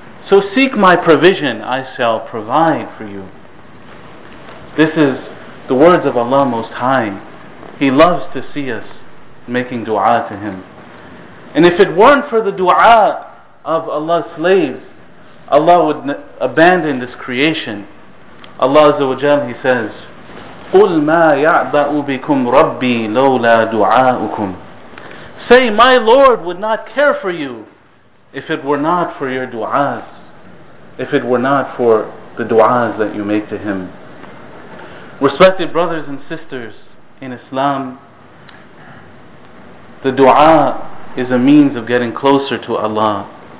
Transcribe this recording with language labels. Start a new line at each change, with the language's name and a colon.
English: So seek my provision, I shall provide for you. This is the words of Allah Most High. He loves to see us making dua to Him. And if it weren't for the dua of Allah's slaves, Allah would abandon this creation. Allah Azza wa Jal, He says,
Arabic: قُلْ مَا يَعْبَأُ بِكُمْ رَبِّي لَوْلَا دُعَاءُكُمْ.
English: Say, my Lord would not care for you if it were not for your du'as, if it were not for the du'as that you make to Him. Respected brothers and sisters in Islam, the du'a is a means of getting closer to Allah.